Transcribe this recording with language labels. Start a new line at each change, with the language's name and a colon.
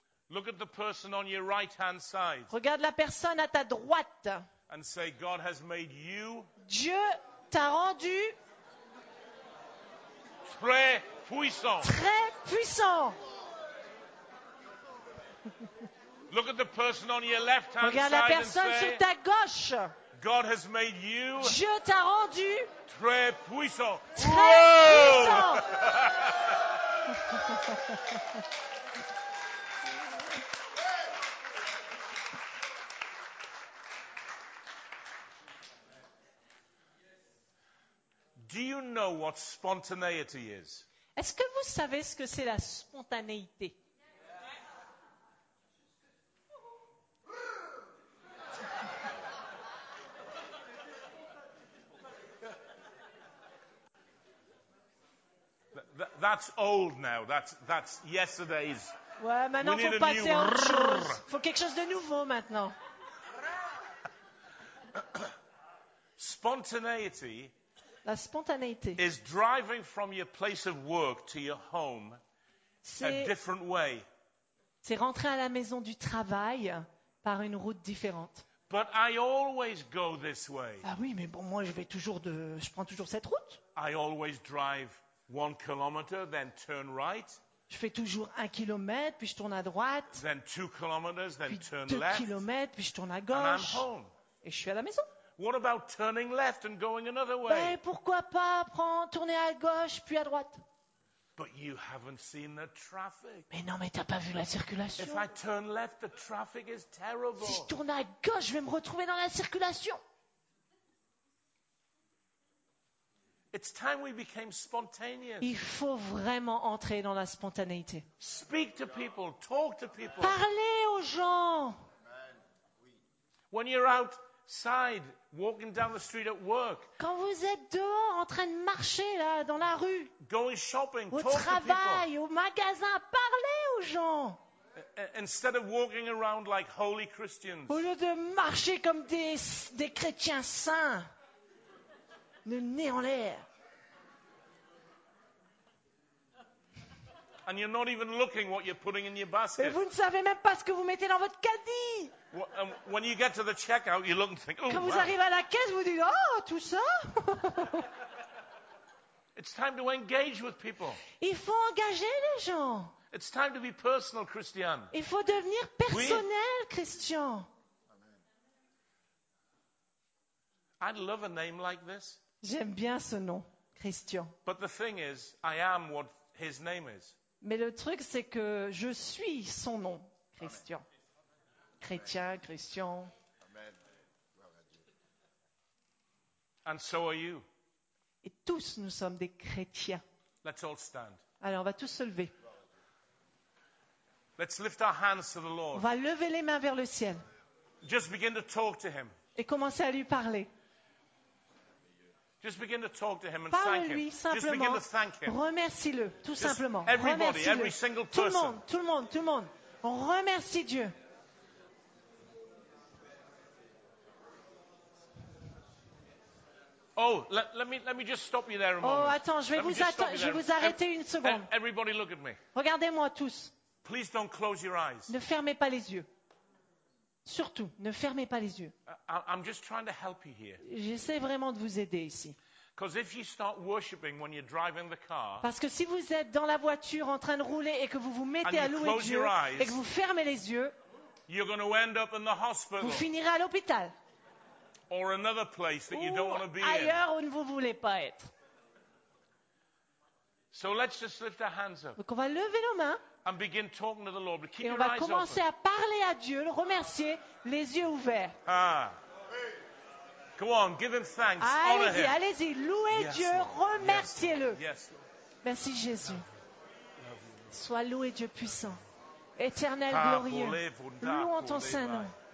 English: Look at the person on your right hand side.
French: Regarde la personne à ta droite.
English: And say, God has made you.
French: Dieu t'a rendu. Très puissant. Très puissant.
English: Look at the person on your left hand
French: side. Regarde la personne
English: and say,
French: sur ta gauche.
English: God has made you.
French: Dieu t'a rendu. Très puissant. Très puissant.
English: Do you know what spontaneity is?
French: Est-ce que vous savez ce que c'est la spontanéité?
English: That's old now. That's yesterday's.
French: Ouais, maintenant faut passer à autre chose. Faut quelque chose de nouveau maintenant.
English: Spontaneity.
French: La spontanéité.
English: Is driving from your place of work to your home a different way.
French: C'est rentrer à la maison du travail par une route différente.
English: But I always go this way.
French: Ah oui, mais bon, moi je prends toujours cette route.
English: I always drive. 1 kilometer, then turn right.
French: Je fais toujours 1 kilomètre, puis je tourne à droite.
English: Then 2 kilometers, then turn left.
French: Puis 2 kilomètres, puis je tourne à gauche.
English: And I'm home.
French: Et je suis à la maison.
English: What about turning left and going another way?
French: Ben pourquoi pas tourner à gauche puis à droite?
English: But you haven't seen the traffic.
French: Mais non, mais t'as pas vu la circulation.
English: If I turn left, the traffic is terrible.
French: Si je tourne à gauche, je vais me retrouver dans la circulation.
English: It's time we became spontaneous.
French: Il faut vraiment entrer dans la spontanéité.
English: Speak to people, talk to people.
French: Parlez aux gens.
English: When you're outside, walking down the street at work.
French: Quand vous êtes dehors en train de marcher là, dans la rue.
English: Going shopping,
French: au travail, au magasin, parlez aux gens.
English: Instead of walking around like holy Christians.
French: Au lieu de marcher comme des chrétiens saints. Le nez en l'air.
English: And you're not even looking what you're putting in your basket.
French: Et vous ne savez même pas ce que vous mettez dans votre caddie.
English: When you get to the checkout, you look and think, oh,
French: quand wow. Vous arrivez à la caisse, vous dites, oh, tout ça.
English: It's time to engage with people.
French: Il faut engager les gens.
English: It's time to be personal, Christian.
French: Il faut devenir personnel, oui.
English: Christian. I'd love a name like this.
French: J'aime bien ce nom, Christian.
English: But the thing is, I am what his name is.
French: Mais le truc, c'est que je suis son nom, Christian. Amen. Chrétien, Christian.
English: Amen. And so are you.
French: Et tous nous sommes des chrétiens.
English: Let's all stand.
French: Alors on va tous se lever.
English: Let's lift our hands to the Lord.
French: On va lever les mains vers le ciel.
English: Just begin to talk to him.
French: Et commencer à lui parler.
English: Just begin to talk to him and
French: parle-lui
English: thank him. Just begin to thank him.
French: Remercie-le, tout
English: Just
French: simplement.
English: Everybody,
French: remercie-le.
English: Every single
French: person. Tout le monde. On remercie Dieu.
English: Oh, let me just stop you there a moment.
French: Oh, attends, je vais vous arrêter une seconde.
English: Everybody look at me.
French: Regardez-moi tous.
English: Please don't close your eyes.
French: Ne fermez pas les yeux. Surtout, ne fermez pas les yeux.
English: I'm just trying to help you here.
French: J'essaie vraiment de vous aider ici.
English: Because if you start worshiping when you're driving the car,
French: parce que si vous êtes dans la voiture en train de rouler et que vous vous mettez à louer Dieu et que vous fermez les yeux,
English: you're going to end up in the hospital.
French: Vous finirez à l'hôpital.
English: Or another place that you don't want to be
French: ailleurs où vous ne voulez pas être.
English: So let's just lift our hands up.
French: Donc on va lever nos mains
English: and begin talking to the Lord. Keep
French: et on va commencer à parler à Dieu, le remercier, les yeux ouverts.
English: Ah. Go on, give him thanks.
French: Allez-y, louez
English: yes,
French: Dieu,
English: Lord.
French: Remerciez-le.
English: Yes,
French: merci Jésus. Sois loué Dieu puissant, éternel, glorieux. Louons ton Saint Nom.